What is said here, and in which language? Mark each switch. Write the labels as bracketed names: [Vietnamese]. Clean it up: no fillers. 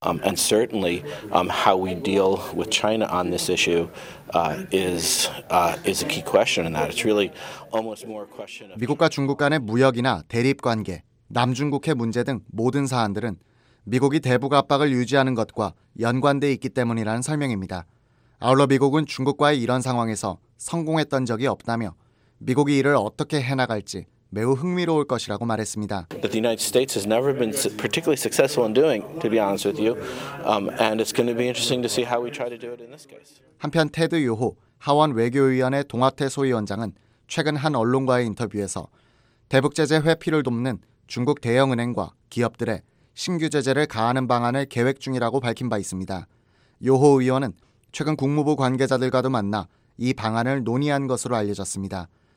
[English] And certainly how we deal with China on this issue is a key question in that. It's really almost more a question of [Korean] 미국과 중국 간의 무역이나 대립 관계, 남중국해 문제 등 모든 사안들은 미국이 대북 압박을 유지하는 것과 연관돼 있기 때문이라는 설명입니다. 아울러 미국은 중국과의 이런 상황에서 성공했던 적이 없다며 미국이 이를 어떻게 해나갈지 매우 흥미로울 것이라고 말했습니다. [English] But the United States has never been particularly successful in doing, to be honest with you. And it's going to be interesting to see how we try to do it in this case. [Korean] 한편 테드 요호 하원 외교위원회 동아태 소위원장은 최근 한 언론과의 인터뷰에서 대북 제재 회피를 돕는 중국 대형은행과 기업들의 신규 제재를 가하는 방안을 계획 중이라고 밝힌 바 있습니다. 요호 의원은 최근 국무부 관계자들과도 만나 이 방안을 논의한 것으로 알려졌습니다.